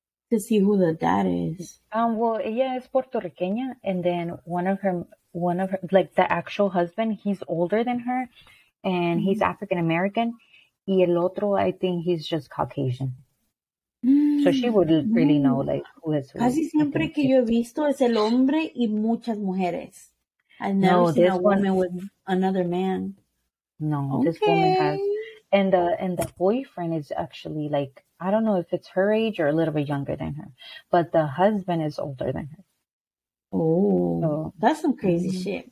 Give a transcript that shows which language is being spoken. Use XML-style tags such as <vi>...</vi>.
<en>To see who the dad is. Well,</en> <es>ella es puertorriqueña,</es> <en>and then one of her, like the actual husband, he's older than her, and he's African American.</en> <es>Y el otro,</es> <en>I think he's just Caucasian. So she would really know, like who is.</en> <es>Casi siempre que yo he visto es el hombre y muchas mujeres.</es> <en>I've never seen a woman with another man. No, this woman has, and the boyfriend is actually like. I don't know if it's her age or a little bit younger than her, but the husband is older than her. Oh, so, that's some crazy shit.</en>